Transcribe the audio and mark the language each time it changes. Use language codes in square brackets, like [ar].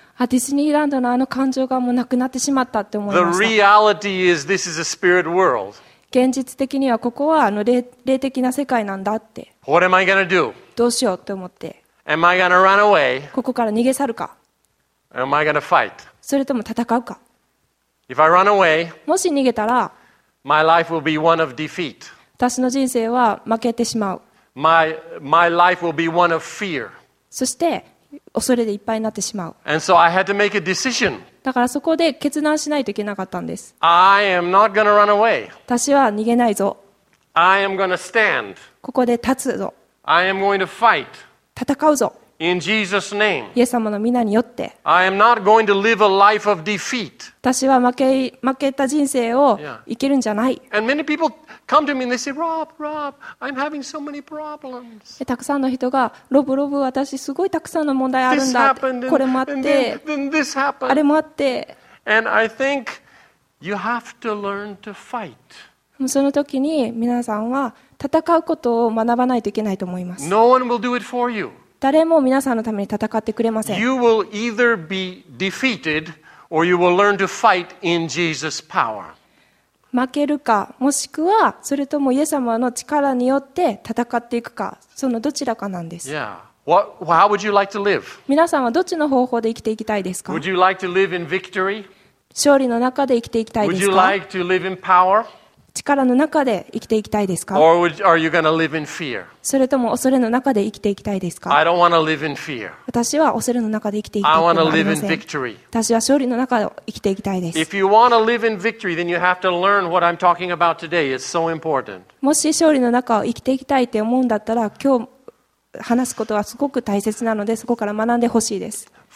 [ja] あ、ディズニーランドのあの感情がもうなくなってしまったって思いました。 [en] the reality is this is a spirit world. [ja] 現実的にはここは霊的な世界なんだって。 [en] What am I gonna do? [ja] どうしようと思って。 [en] Am I gonna run away? [ja] ここから逃げ去るか。 [en] Am I gonna fight? [ja] それとも戦うか。 [en] If I run away, [ja] もし逃げたら、 [en] my life will be one of defeat. [ja] 私の人生は負けてしまう。 [en] My life will be one of fear. [ja] そして、恐れでいっぱいになってしまう。 [en] And so I had to make a decision. [ja] だからそこで決断しないといけなかったんです。 [en] I am not gonna run away. [ja] 私は逃げないぞ。 [en] I am gonna stand. [ja] ここで立つぞ。 [en] I am going to fight. [ja] 戦うぞ。 [en] In Jesus' name. [ja] イエス様の名によって。 [en] I am not going to live a life of defeat. [ja] 私は負けた人生を生きるんじゃない。 [en] Yeah. And many people come to me and they say, Rob, I'm having so many problems. [ja] たくさんの人が、ロブ、私すごいたくさんの問題あるんだって。 [en] This happened, [ja] これもあって。 [en] Then this happened. [ja] あれもあって。 [en] And I think you have to learn to fight. [ja] その時に皆さんは戦うことを学ばないといけないと思います。 [en] No one will do it for you. [ja] 誰も皆さんのために戦ってくれません。 [en] You will either be defeated or you will learn to fight in Jesus' power. [ja] 負けるか、もしくはそれともイエス様の力によって戦っていくか、そのどちらかなんです。 [en] Yeah. How would you like to live? [ja] 皆さんはどっちの方法で生きていきたいですか? [en] Would you like to live in victory? [ja] 勝利の中で生きていきたいですか? [en] Would you like to live in power? [ja] 力の中で生きていきたいですか? [en] Or are you going to live in fear? [ja] それとも恐れの中で生きていきたいですか? [en] I don't want to live in fear. [ja] 私は恐れの中で生きていきたいです。 [en] I want to live in victory. [ja] 私は勝利の中で生きていきたいです。 [en] If you want to live in victory, then you have to learn what I'm talking about today. It's so important. [ja] もし勝利の中を生きていきたいって思うんだったら、今日話すことはすごく大切なので、そこから学んでほしいです。